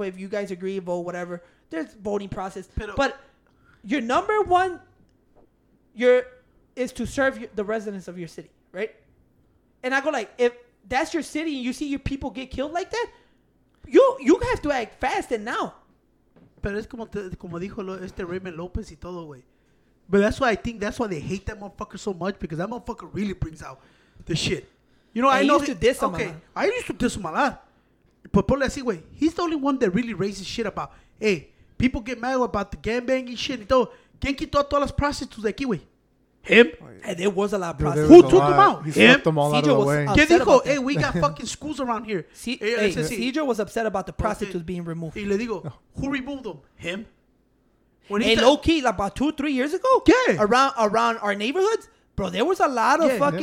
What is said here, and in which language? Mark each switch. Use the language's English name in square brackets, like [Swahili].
[English] If you guys agree, vote, whatever. There's voting process. But your number one, is to serve the residents of your city, right? And I go like, if that's your city and you see your people get killed like that, you have to act fast and now. [Spanish] Pero es como dijo este Raymond Lopez y todo, güey. [English] But that's why I think that's why they hate that motherfucker so much, because that motherfucker really brings out the shit. You know, I used to diss him a lot. But [Spanish] ponle así, [English] güey. He's the only one that really raises shit about, hey, people get mad about the gangbanging shit. [Spanish] Entonces, ¿quién quitó a todas las prostitutas de aquí, güey? [English] Him? Oh, yeah. And there was a lot of prostitutes. Who took them out? He swept them all out of the way. [Spanish] ¿Qué dijo? [English] Hey, we got fucking schools around here. Cedro was upset about the prostitutes being removed. [Spanish] Y le digo, [English] who removed them? Him? Low-key, about 2-3 years ago? Yeah. Around our neighborhoods? Bro, there was a lot of fucking...